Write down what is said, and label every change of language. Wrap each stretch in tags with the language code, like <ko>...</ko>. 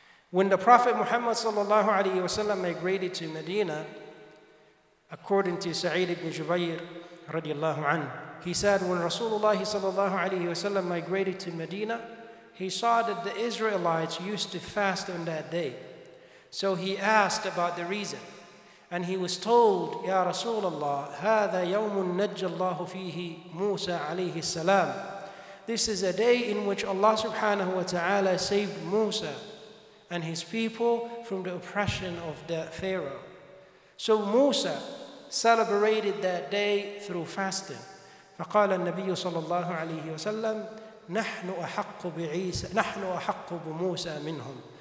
<en>When the Prophet Muhammad sallallahu alayhi wa sallam migrated to Medina, according to Sa'id ibn Jubayr radiallahu anhu, he said, when Rasulullah sallallahu alayhi wa sallam migrated to Medina, he saw that the Israelites used to fast on that day. So he asked about the reason. And he was told, Ya Rasulullah,</en> <ar>هَذَا يَوْمٌ نَجَّ اللَّهُ فِيهِ مُوسَى عَلَيْهِ السَّلَامِ.</ar> <en>This is a day in which Allah subhanahu wa ta'ala saved Musa and his people from the oppression of the Pharaoh. So Musa celebrated that day through fasting.</en> <ar>فَقَالَ النَّبِيُّ صَلَى اللَّهُ عَلَيْهِ وَسَلَّمُ نَحْنُ أَحَقُّ بِعِيسَى نَحْنُ أَحَقُّ بُمُوسَى مِنْهُمْ.</ar>